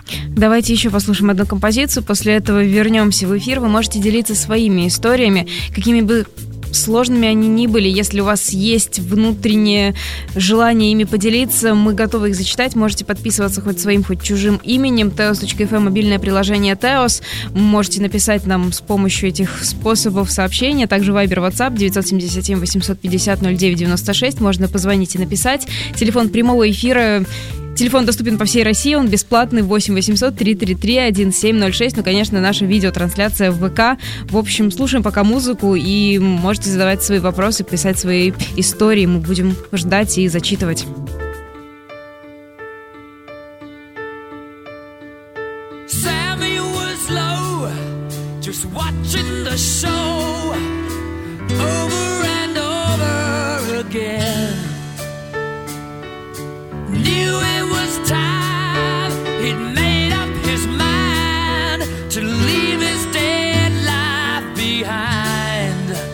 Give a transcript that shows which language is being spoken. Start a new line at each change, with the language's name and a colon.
Russian: Давайте еще послушаем одну композицию, после этого вернемся в эфир. Вы можете делиться своими историями, какими бы сложными они ни были, если у вас есть внутреннее желание ими поделиться, мы готовы их зачитать. Можете подписываться хоть своим, хоть чужим именем. Teos.fm, мобильное приложение Teos. Можете написать нам с помощью этих способов сообщения. Также Viber, WhatsApp 977-850-0996. Можно позвонить и написать. Телефон прямого эфира. Телефон доступен по всей России, он бесплатный, 8 800 333 1706. Ну, конечно, наша видеотрансляция в ВК. В общем, слушаем пока музыку и можете задавать свои вопросы, писать свои истории, мы будем ждать и зачитывать.
English: Sammy was low, just watching the show, over and over again. Knew it was time, he'd made up his mind to leave his dead life behind.